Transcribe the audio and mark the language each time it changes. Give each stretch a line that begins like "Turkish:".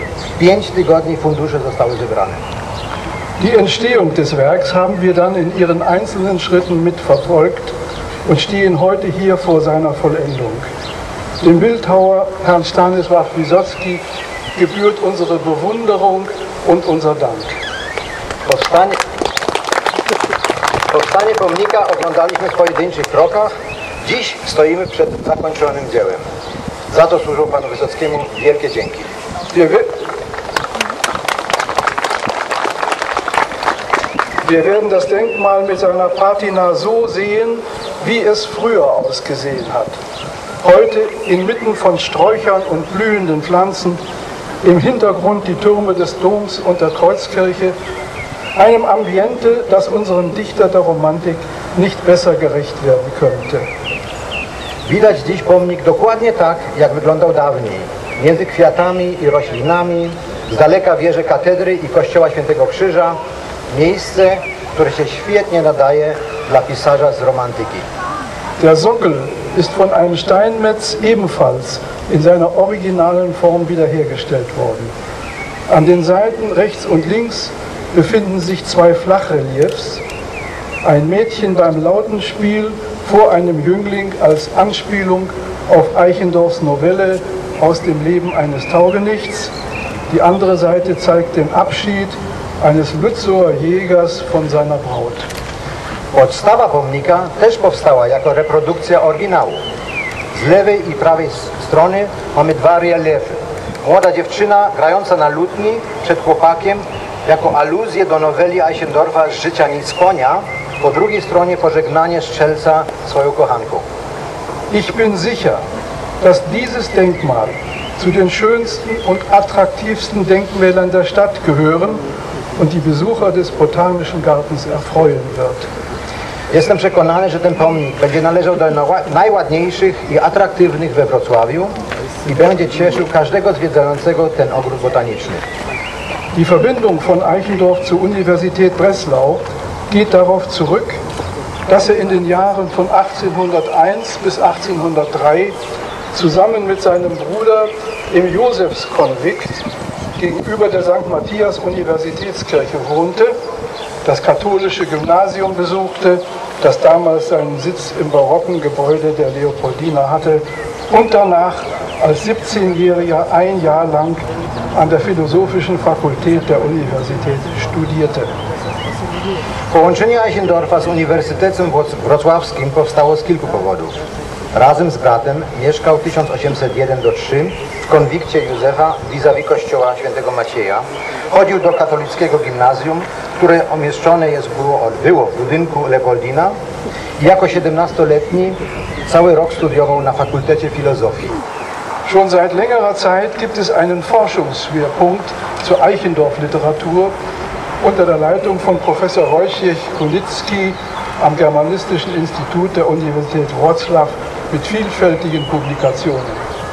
Polish: W pięć tygodni fundusze zostały zebrane.
German: Die Entstehung des Werks haben wir dann in ihren einzelnen Schritten mitverfolgt und stehen heute hier vor seiner Vollendung. Dem Bildhauer Herrn Stanisław Wysocki gebührt unsere Bewunderung und unser Dank.
Polish: Powstanie pomnika oglądaliśmy w pojedynczych krokach. Dziś stoimy przed zakończonym dziełem. Za to służą panu Wysockiemu wielkie dzięki.
German: Wir werden das Denkmal mit seiner Patina so sehen, wie es früher ausgesehen hat. Heute inmitten von Sträuchern und blühenden Pflanzen, im Hintergrund die Türme des Doms und der Kreuzkirche, einem Ambiente, das unseren Dichter der Romantik nicht besser gerecht werden könnte.
Polish: Widać dziś pomnik dokładnie tak, jak wyglądał dawniej. Między kwiatami i roślinami, z daleka wieży katedry i kościoła Świętego Krzyża, miejsce, które się świetnie nadaje dla pisarza z romantyki.
German: Der Sockel ist von einem Steinmetz ebenfalls in seiner originalen Form wiederhergestellt worden. An den Seiten rechts und links befinden sich zwei Flachreliefs. Ein Mädchen beim Lautenspiel vor einem Jüngling als Anspielung auf Eichendorffs Novelle aus dem Leben eines Taugenichts. Die andere Seite zeigt den Abschied eines Lützower Jägers von seiner Braut.
Polish: Podstawa pomnika też powstała jako reprodukcja oryginału. Z lewej i prawej strony mamy dwa reliefy. Młoda dziewczyna grająca na lutni przed chłopakiem jako aluzję do noweli Eichendorffa Z życia nic konia. Po drugiej stronie pożegnanie strzelca swoją kochanką.
German: Ich bin sicher, dass dieses Denkmal zu den schönsten und attraktivsten Denkmälern der Stadt gehören und die Besucher des Botanischen Gartens erfreuen wird.
Polish: Jestem przekonany, że ten pomnik będzie należał do najładniejszych i atraktywnych we Wrocławiu i będzie cieszył każdego zwiedzającego ten ogród botaniczny.
German: Die Verbindung von Eichendorff zur Universität Breslau geht darauf zurück, dass er in den Jahren von 1801 bis 1803 zusammen mit seinem Bruder im Josefskonvikt gegenüber der St. Matthias Universitätskirche wohnte, das katholische Gymnasium besuchte, das damals seinen Sitz im barocken Gebäude der Leopoldina hatte und danach als 17-Jähriger ein Jahr lang an der Philosophischen Fakultät der Universität studierte.
Polish: Połączenie Eichendorffa z Uniwersytetem Wrocławskim powstało z kilku powodów. Razem z bratem mieszkał 1801-3 w konwikcie Józefa vis-a-vis kościoła Świętego Macieja. Chodził do katolickiego gimnazjum, które umieszczone było w budynku Leopoldina. Jako 17-letni cały rok studiował na Fakultecie Filozofii.
German: Schon seit längerer Zeit gibt es einen Forschungsschwerpunkt zur Eichendorff-Literatur unter der Leitung von Professor Reuschig-Kulitzki am Germanistischen Institut der Universität Wroclaw mit vielfältigen Publikationen.